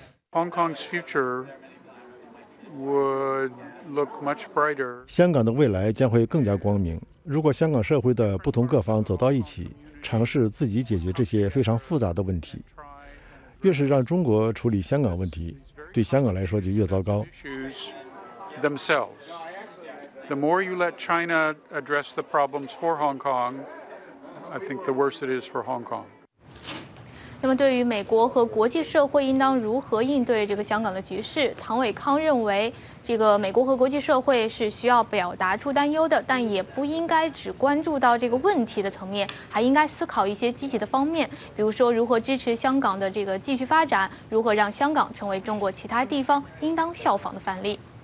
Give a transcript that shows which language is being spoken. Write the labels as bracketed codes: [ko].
[en] Hong Kong's future would look much brighter. [zh] 香港的未来将会更加光明，如果香港社会的不同各方走到一起，尝试自己解决这些非常复杂的问题。越是让中国处理香港问题，对香港来说就越糟糕。 [en] The more you let China address the problems for Hong Kong, I think the worse it is for Hong Kong. [zh] 那么，对于美国和国际社会应当如何应对这个香港的局势，唐伟康认为，这个美国和国际社会是需要表达出担忧的，但也不应该只关注到这个问题的层面，还应该思考一些积极的方面，比如说如何支持香港的这个继续发展，如何让香港成为中国其他地方应当效仿的范例。